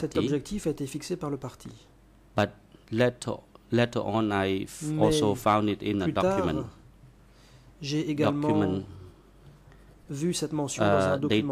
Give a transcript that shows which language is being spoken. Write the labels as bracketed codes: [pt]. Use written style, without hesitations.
[fr] Cet objectif a été fixé par le parti. [en] But later on, I also found it in a document. [fr] J'ai également vu cette mention dans un document.